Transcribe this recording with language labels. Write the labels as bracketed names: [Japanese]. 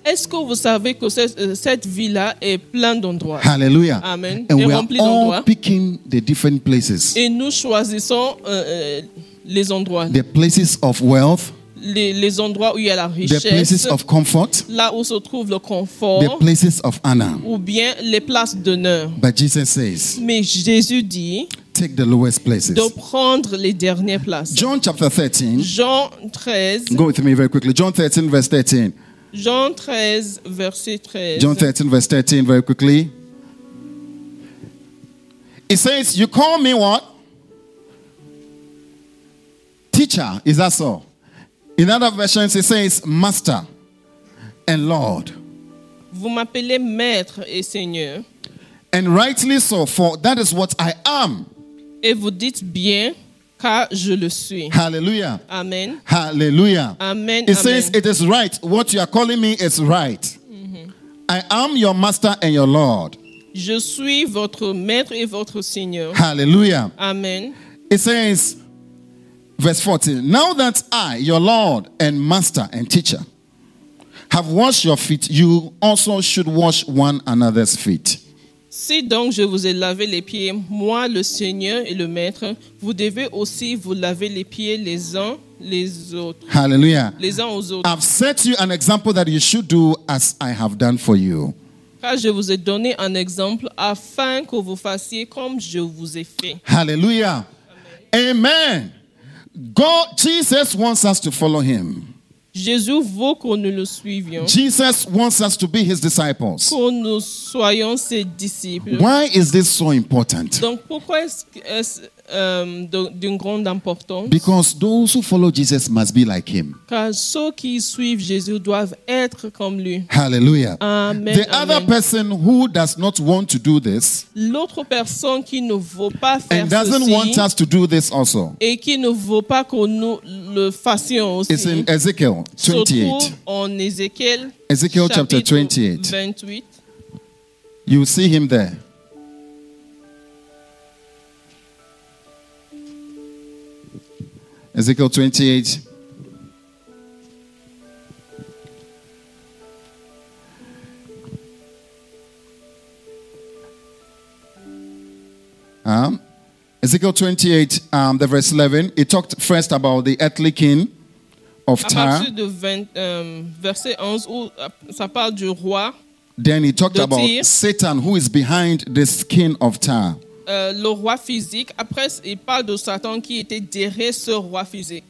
[French] Est-ce que vous savez que cette vie-là est pleine d'endroits? Hallelujah. Amen. [English] And [French] est [English] we are all picking the different places. [French] Et nous choisissons les endroits. [English] The places of wealth. [French] Les endroits où il y a la richesse, [English] the places of comfort, [French] là où se trouve le confort, [English] the places of honor, [French] ou bien les places d'honneur. [English] But Jesus says, [French] mais Jésus dit, [English] take the lowest places. [French] De prendre les dernières places. [English] John chapter 13. [French] Jean 13. [English] Go with me very quickly. John 13 verse 13. [French] Jean 13 verset 13. [English] John 13 verse 13 very quickly. It says, you call me what? Teacher, is that so? In other versions, it says, Master and Lord. [French] Vous m'appelez Maître et Seigneur. [English] And rightly so, for that is what I am. [French] Et vous dites bien, car je le suis. Hallelujah. Amen. Hallelujah. Amen. [English] It says, it is right. What you are calling me is right. Mm-hmm. I am your Master and your Lord. [French] Je suis votre Maître et votre Seigneur. Hallelujah. Amen. [English] It says, verse 14. Now that I, your Lord and Master and Teacher, have washed your feet, you also should wash one another's feet. [French] Si donc je vous ai lavé les pieds, moi le Seigneur et le Maître, vous devez aussi vous laver les pieds les uns les autres. Hallelujah. Les uns aux autres. [English] I've set you an example that you should do as I have done for you. [French] Car je vous ai donné un exemple afin que vous fassiez comme je vous ai fait. Hallelujah. Amen. Amen. [English] God, Jesus wants us to follow him. [French] Jésus veut que nous le suivions. [English] Jesus wants us to be his disciples. [French] Que nous soyons ses disciples. [English] Why is this so important? [French] Donc pourquoi est-ce d'une grande importance? [English] Because those who follow Jesus must be like him. [French] Car ceux qui suivent Jésus doivent être comme lui. Hallelujah. Amen. [English] The amen. Other person who does not want to do this. [French] L'autre personne qui ne veut pas faire ceci. [English] And doesn't [French] ceci, [English] want us to do this also. [French] Et qui ne veut pas que nous le fassions aussi. [English] It's in Ezekiel 28. [French] En Ezekiel. [English] Ezekiel chapter 28. 28. You see him there. Ezekiel 28. Ezekiel 28, the verse 11. It talked first about the earthly king of Tyre. [French] À partir de verset 11, où ça parle du roi. Then he talked about Satan, who is behind this king of Tyre. Le roi physique. Après, il parle de Satan qui était derrière ce roi physique.